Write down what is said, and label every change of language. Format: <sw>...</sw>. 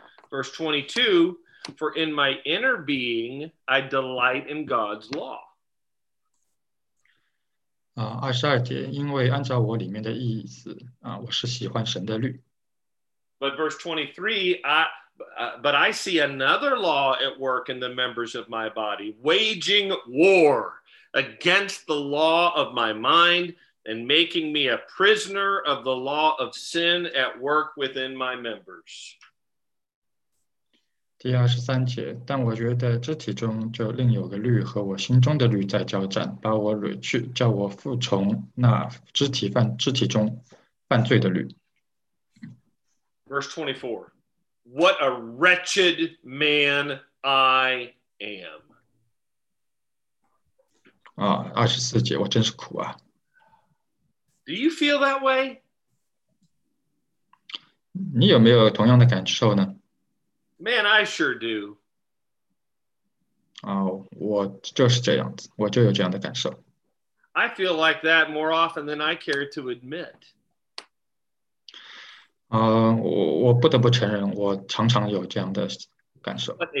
<en>Verse 22, for in my inner being, I delight in God's law.</en> <zh>二十二节，因为按照我里面的意思，我是喜欢神的律。</zh> <en>But verse 23, but I see another law at work in the members of my body, waging war. Against the law of my mind and making me a prisoner of the law of sin at work within my members.</en> <zh>第二十三节，但我觉得肢体中就另有个律和我心中的律在交战，把我掳去，叫我服从那肢体中犯罪的律。</zh> <en>Verse 24, what a wretched man I am.</en> <zh>24节, 我真是苦啊。</zh> <en>Do you feel that way?</en> <zh>你有没有同样的感受呢?</zh> <en>Man, I sure do.</en> <zh>我就是这样子, 我就有这样的感受。</zh> <en>I feel like that more often than I care to admit.</en> <zh>我不得不承认, 我常常有这样的感受。</zh>